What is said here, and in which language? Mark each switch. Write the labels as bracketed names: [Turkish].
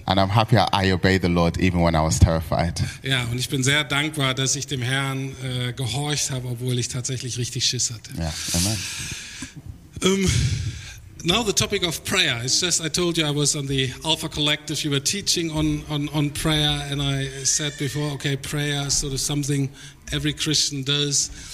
[English] And I'm happy I obey the Lord even when I was terrified. [German] Ja, und ich bin sehr dankbar, dass ich dem Herrn gehorcht habe, obwohl ich tatsächlich richtig Schiss hatte. Ja, amen. [English] Now the topic of prayer. It's just I told you I was on the Alpha Collective. You were teaching on prayer, and I said before, okay, prayer is sort of something every Christian does.